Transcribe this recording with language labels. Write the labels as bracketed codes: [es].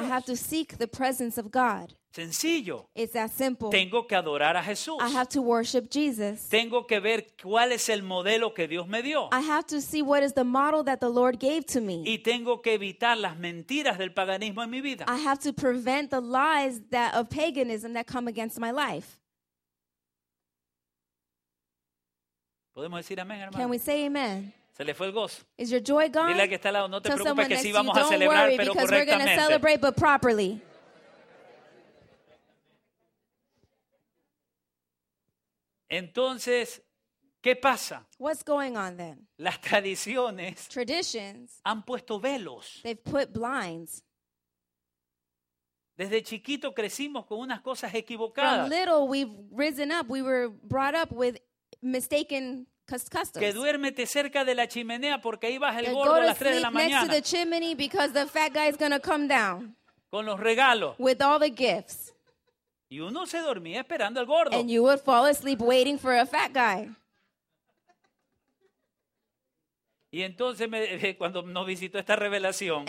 [en] I have to seek the presence of God. [es] Sencillo. [en] It's that simple. [es] Tengo que adorar a Jesús. [en] I have to worship Jesus. [es] Tengo que ver cuál es el modelo que Dios me dio. [en] I have to see what is the model that the Lord gave to me. [es] Y tengo que evitar las mentiras del paganismo en mi vida. [en] I have to prevent the lies that of paganism that come against my life. [es] ¿Podemos decir amén, hermano? [en] Can we say amen? [es] ¿Se le fue el gozo? [en] Is your joy gone? [es] Dile al que está al lado, no te [en] tell [es] preocupes que sí vamos a celebrar, [en] worry, [es] pero correctamente. [en] We're celebrate, but properly. [es] Entonces, ¿qué pasa? [en] What's going on then? [es] Las tradiciones, [en] traditions, [es] han puesto velos. [en] They've put blinds. [es] Desde chiquito crecimos con unas cosas equivocadas. [en] From little we've risen up, we were brought up with mistaken customs. [es] Que duérmete cerca de la chimenea porque ahí baja el gordo a las 3 de la mañana. [en] Go to sleep next to the chimney because the fat guy is going to come down. [es] Con los regalos. [en] With all the gifts. [es] Y uno se dormía esperando al gordo. [en] And you would fall asleep waiting for a fat guy. [es] Y entonces cuando nos visitó esta revelación,